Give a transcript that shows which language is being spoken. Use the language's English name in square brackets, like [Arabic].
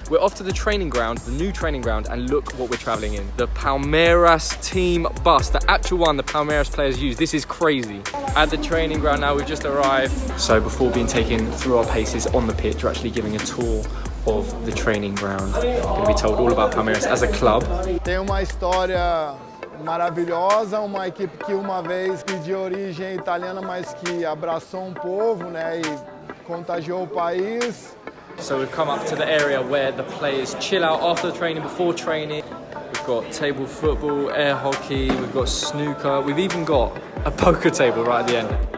[English] We're off to the training ground, the new training ground, and look what we're traveling in. The Palmeiras team bus, the actual one the Palmeiras players use. This is crazy. At the training ground now, we've just arrived. So before being taken through our paces on the pitch, we're actually giving a tour of the training ground. I'm gonna be told all about Palmeiras as a club. [Portuguese] Tem uma história maravilhosa, uma equipe que uma vez de origem italiana, mas que abraçou um povo, né, e contagiou o país. [English] So we've come up to the area where the players chill out after the training, before training. We've got table football, air hockey, we've got snooker, we've even got a poker table right at the end.